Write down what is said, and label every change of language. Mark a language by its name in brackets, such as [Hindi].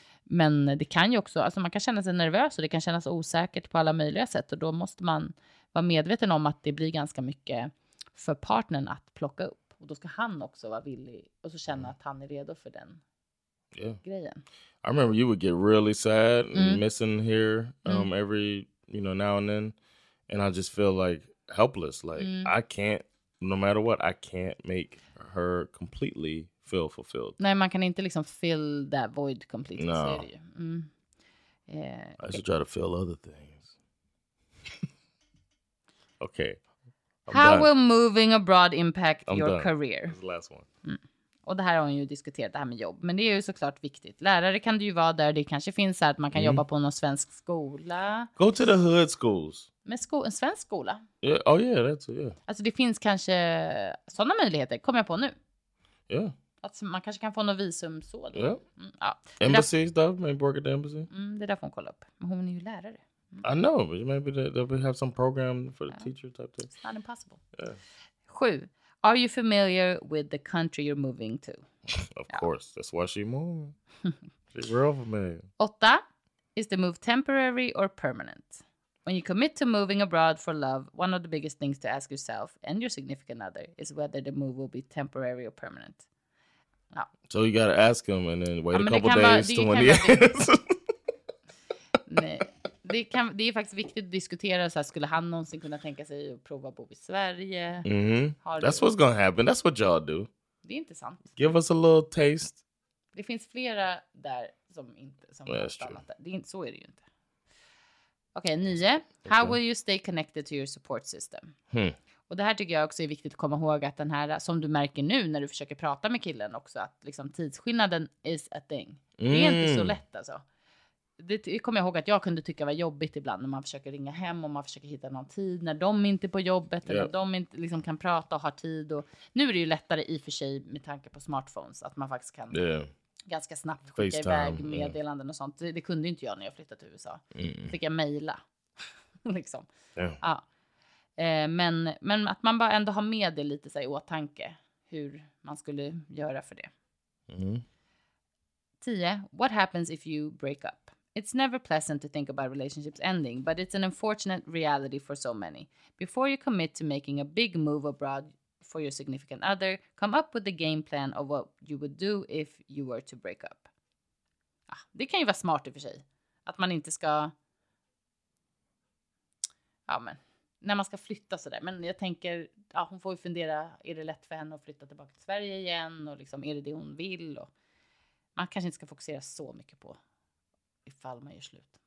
[Swedish] Men det kan ju också, alltså man kan känna sig nervös och det kan kännas osäkert på alla möjliga sätt. Och då måste man vara medveten om att det blir ganska mycket för partnern att plocka upp. Och då ska han också vara villig och så känna att han är redo för den grejen. [English] I remember you would get really sad missing here every, you know, now and then. And I just feel like helpless. Like I can't, no matter what, I can't make her completely feel fulfilled. [Swedish] Nej, man kan inte liksom [English] fill that void completely. No. [Swedish] Så är det ju. [English] I should try to fill other things. Okay. How will moving abroad impact your career? That's the last one. [Swedish] Och det här har hon ju diskuterat, det här med jobb. Men det är ju såklart viktigt. Lärare kan du ju vara där. Det kanske finns så att man kan jobba på någon svensk skola. [English] Go to the hood schools. [Swedish] Med en svensk skola. [English] Yeah. Oh yeah, that's it. Yeah. [Swedish] Alltså det finns kanske sådana möjligheter. Kommer jag på nu. Ja. Yeah. Att man kanske kan få något visum så. [English] Yeah. Ja. Embassy stuff, maybe work at the embassy. [Swedish] Det där får hon kolla upp. Men hon är ju lärare. [English] I know, but maybe they'll have some program for the teacher type thing. It's not impossible. Yeah. 7. Are you familiar with the country you're moving to? Of course, that's why she moved. She's real familiar. 8. Is the move temporary or permanent? When you commit to moving abroad for love, one of the biggest things to ask yourself and your significant other is whether the move will be temporary or permanent. So you gotta ask him and then wait a couple days to when he asks. [Swedish] Nej. Det är faktiskt viktigt att diskutera så här, skulle han någonsin kunna tänka sig att prova att bo i Sverige? [English] That's what's gonna happen. That's what y'all do. [Swedish] Det är inte sant. [English] Give us a little taste. [Swedish] Det finns flera där som inte som har stannat där. Så är det ju inte. Okej, 9. [English] How will you stay connected to your support system? [Swedish] Och det här tycker jag också är viktigt att komma ihåg att den här, som du märker nu när du försöker prata med killen också, att liksom tidsskillnaden [English] is a thing. [Swedish] Det är inte så lätt alltså. Det kommer jag ihåg att jag kunde tycka var jobbigt ibland när man försöker ringa hem och man försöker hitta någon tid när de inte är på jobbet eller de inte liksom kan prata och har tid. Och nu är det ju lättare i och för sig med tanke på smartphones att man faktiskt kan ganska snabbt skicka FaceTime, iväg meddelanden och sånt. Det kunde inte jag när jag flyttade till USA. Fick jag mejla. Liksom. [English] Yeah. [Swedish] Ja. Men att man bara ändå har med det lite så här, i åtanke hur man skulle göra för det. [English] 10. What happens if you break up? It's never pleasant to think about relationships ending, but it's an unfortunate reality for so many. Before you commit to making a big move abroad for your significant other, come up with a game plan of what you would do if you were to break up. [Swedish] Ah, det kan ju vara smart i och för sig. Att man inte ska... Ja, men... När man ska flytta sådär. Men jag tänker, ja, hon får ju fundera, är det lätt för henne att flytta tillbaka till Sverige igen? Och liksom, är det det hon vill? Och man kanske inte ska fokusera så mycket på ifall man gör slut.